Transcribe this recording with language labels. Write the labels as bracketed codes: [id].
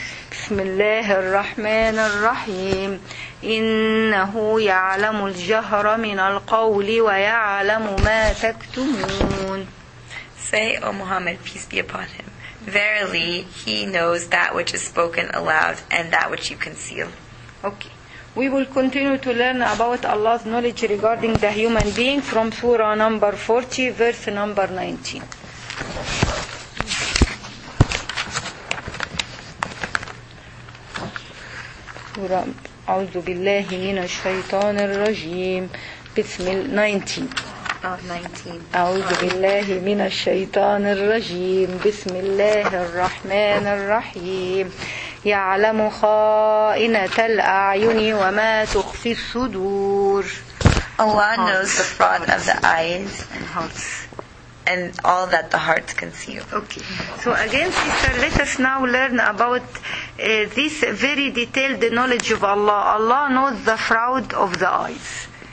[ar] بسم الله الرحمن الرحيم إنه يعلم الجهر من القول ويعلم ما تكتمون. [en] Say, O Muhammad, peace be upon him. Verily, he knows that which is spoken aloud and that which you conceal. Okay. We will continue to learn about Allah's knowledge regarding the human being from Surah number 40, verse number 19. [ar] أعوذ بالله من الشيطان الرجيم بسم الله 19 أعوذ بالله من الشيطان الرجيم بسم الله الرحمن الرحيم يعلم خائنة الأعين وما تخفي الصدور. [en] Allah knows the fraud of the eyes and hearts and all that the hearts conceal. Okay. So again, sister, let us now learn about this very detailed knowledge of Allah. Allah knows the fraud of the eyes.